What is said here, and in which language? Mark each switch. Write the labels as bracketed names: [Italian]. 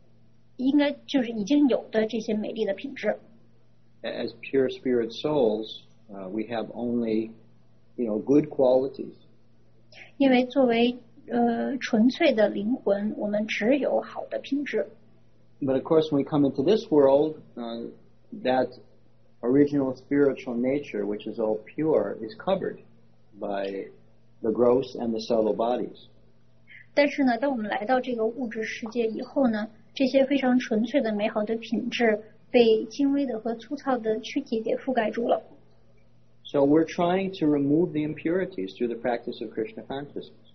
[Chinese] 那从某一个层面上来说呢，我们应该知道，就是所有的这一切都是我们本人应该就是已经有的这些美丽的品质。 [English] As pure spirit souls, we have only, you know, good qualities. [Chinese] 因为作为纯粹的灵魂，我们只有好的品质。 [English] But of course, when we come into this world, that original spiritual nature, which is all pure, is covered by the gross and the subtle bodies. [Chinese] 但是呢，当我们来到这个物质世界以后呢，这些非常纯粹的美好的品质被精微的和粗糙的躯体给覆盖住了。 [English] So we're trying to remove the impurities through the practice of Krishna consciousness.